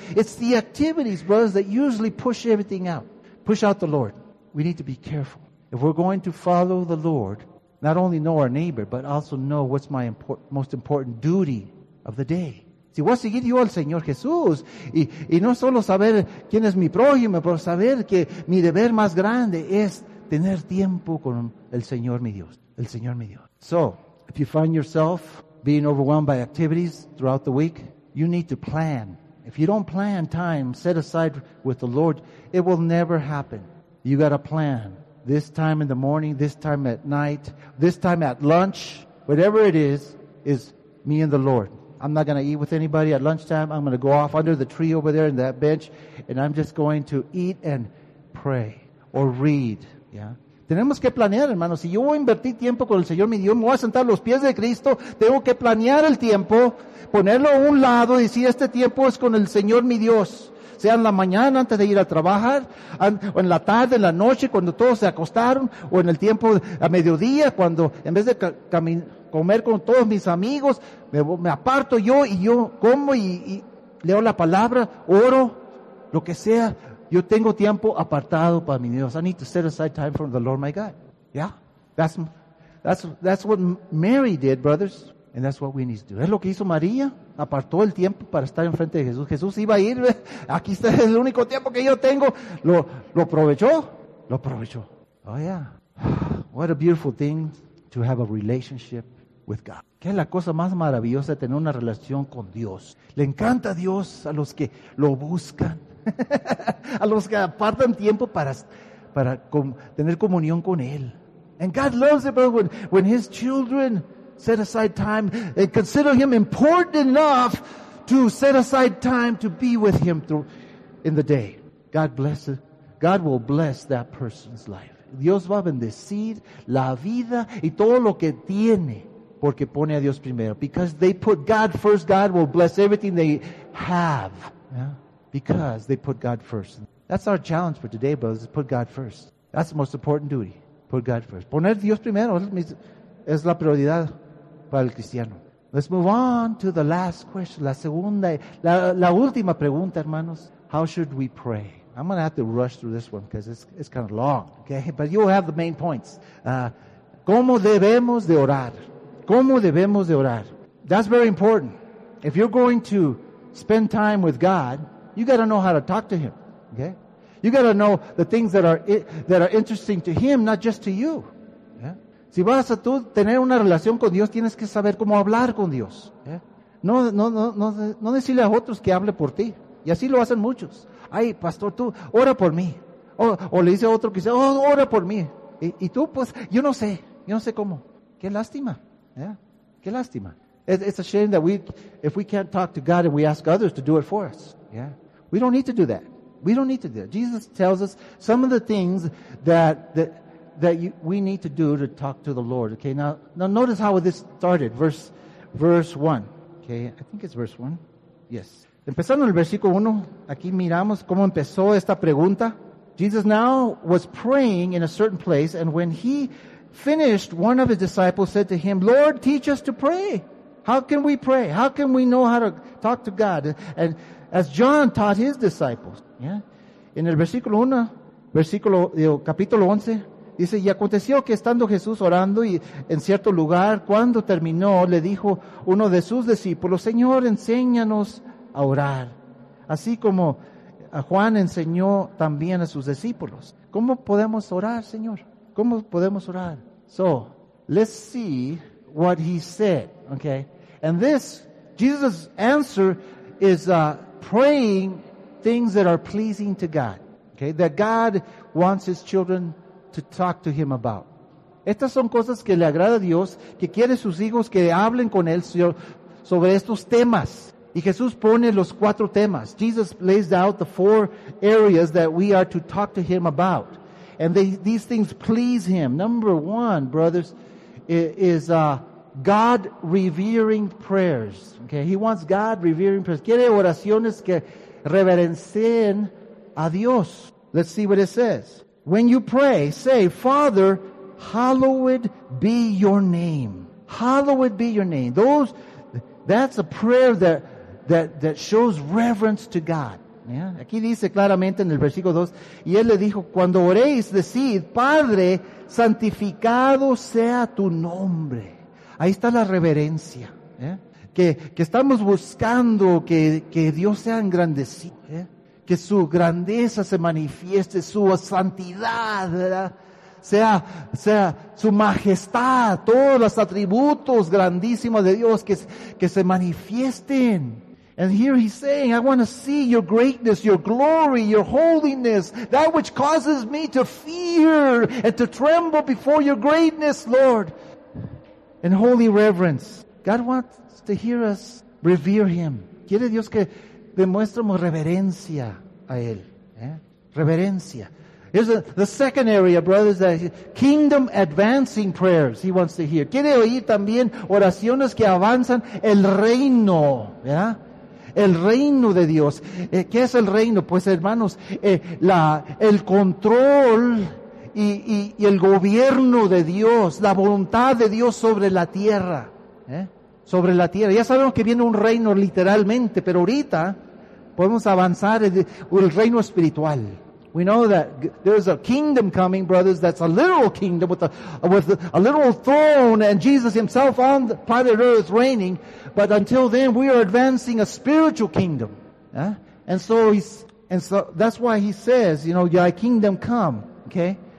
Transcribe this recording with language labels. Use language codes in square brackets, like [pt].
[en] It's the activities, brothers, that usually push everything out, push out the Lord. We need to be careful. If we're going to follow the Lord, not only know our neighbor, but also know what's my most important duty of the day. [es] Si voy a seguir yo al Señor Jesús, y no solo saber quién es mi prójimo, pero saber que mi deber más grande es tener tiempo con el Señor mi Dios. El Señor mi Dios. [en] So, if you find yourself being overwhelmed by activities throughout the week, you need to plan. If you don't plan time set aside with the Lord, it will never happen. You got to plan. This time in the morning, this time at night, this time at lunch, whatever it is me and the Lord. I'm not going to eat with anybody at lunchtime. I'm going to go off under the tree over there in that bench, and I'm just going to eat and pray or read. [es] Yeah. Tenemos que planear, hermanos. Si yo voy a invertir tiempo con el Señor mi Dios, me voy a sentar a los pies de Cristo, tengo que planear el tiempo, ponerlo a un lado y decir, este tiempo es con el Señor mi Dios. Sea en la mañana antes de ir a trabajar, o en la tarde, en la noche, cuando todos se acostaron, o en el tiempo a mediodía, cuando en vez de comer con todos mis amigos, me aparto yo y yo como y leo la palabra, oro, lo que sea. Yo tengo tiempo apartado para mi Dios. [en] I need to set aside time for the Lord my God. Yeah. That's what Mary did, brothers. And that's what we need to do. [es] Es lo que hizo María. Apartó el tiempo para estar enfrente de Jesús. Jesús iba a ir. Aquí está el único tiempo que yo tengo. Lo aprovechó. Lo aprovechó. Oh, yeah. [en] What a beautiful thing to have a relationship with God. [es] ¿Qué es la cosa más maravillosa de tener una relación con Dios? Le encanta a Dios a los que lo buscan. A los que apartan tiempo para tener comunión con Él. [en] And God loves it, bro, when His children set aside time and consider Him important enough to set aside time to be with Him through, in the day. God bless it. God will bless that person's life. [es] Dios va a bendecir la vida y todo lo que tiene porque pone a Dios primero. [en] Because they put God first, God will bless everything they have. Yeah? Because they put God first. That's our challenge for today, brothers, is put God first. That's the most important duty. Put God first. [es] Poner Dios primero es la prioridad para el cristiano. [en] Let's move on to the last question. [es] La segunda, la última pregunta, hermanos. [en] How should we pray? I'm going to have to rush through this one because it's kind of long. Okay, but you'll have the main points. [es] ¿Cómo debemos de orar? ¿Cómo debemos de orar? [en] That's very important. If you're going to spend time with God, you got to know how to talk to Him. Okay? You got to know the things that are interesting to Him, not just to you. Yeah? [es] Si vas a tú tener una relación con Dios, tienes que saber cómo hablar con Dios. [en] Yeah? [es] No decirle a otros que hable por ti. Y así lo hacen muchos. Ay, pastor, tú, ora por mí. O le dice a otro que dice, oh, ora por mí. Y tú, pues, yo no sé cómo. Qué lástima. Yeah? Qué lástima. [en] It's a shame that if we can't talk to God and we ask others to do it for us. Yeah. We don't need to do that. We don't need to do that. Jesus tells us some of the things that we need to do to talk to the Lord. Okay, now notice how this started. Verse 1. Okay, I think it's verse 1. Yes. [es] Empezando en el versículo 1, aquí miramos cómo empezó esta pregunta. [en] Jesus now was praying in a certain place, and when he finished, one of his disciples said to him, Lord, teach us to pray. How can we pray? How can we know how to talk to God? And as John taught his disciples. Yeah. [es] En el versículo 1, capítulo 11, dice, y aconteció que estando Jesús orando y en cierto lugar, cuando terminó, le dijo uno de sus discípulos, Señor, enséñanos a orar. Así como a Juan enseñó también a sus discípulos. ¿Cómo podemos orar, Señor? ¿Cómo podemos orar? [en] So, let's see what he said, okay? And this, Jesus' answer is praying things that are pleasing to God, okay? That God wants his children to talk to him about. [es] Estas son cosas que le agrada a Dios, que quiere sus hijos que hablen con él, Señor, sobre estos temas. Y Jesús pone los cuatro temas. [en] Jesus lays out the four areas that we are to talk to him about. And these things please him. Number one, brothers, is God-revering prayers. Okay, he wants God-revering prayers. [es] Quiere oraciones que reverencien a Dios. [en] Let's see what it says. When you pray, say, Father, hallowed be your name. Hallowed be your name. That's a prayer that shows reverence to God. Yeah. [es] Aquí dice claramente en el versículo 2, y él le dijo, cuando oréis, decid, Padre, santificado sea tu nombre. Ahí está la reverencia. Yeah. Que estamos buscando que Dios sea engrandecido. Yeah. Que su grandeza se manifieste, su santidad, ¿verdad? Sea su majestad, todos los atributos grandísimos de Dios que se manifiesten. [en] And here he's saying, I want to see your greatness, your glory, your holiness, that which causes me to fear and to tremble before your greatness, Lord, and holy reverence. God wants to hear us revere him. [es] Quiere Dios que demuestremos reverencia a él. ¿Eh? Reverencia. [en] Here's the second area, brothers, that kingdom advancing prayers he wants to hear. [es] Quiere oír también oraciones que avanzan el reino, ¿verdad? El reino de Dios. ¿Qué es el reino? Pues, hermanos, el control y el gobierno de Dios, la voluntad de Dios sobre la tierra. ¿Eh? Sobre la tierra. Ya sabemos que viene un reino literalmente, pero ahorita podemos avanzar el reino espiritual. [en] We know that there's a kingdom coming, brothers, that's a literal kingdom with a literal throne and Jesus himself on the planet earth reigning. But until then, we are advancing a spiritual kingdom. Yeah? And so that's why he says, you know, thy kingdom come, okay?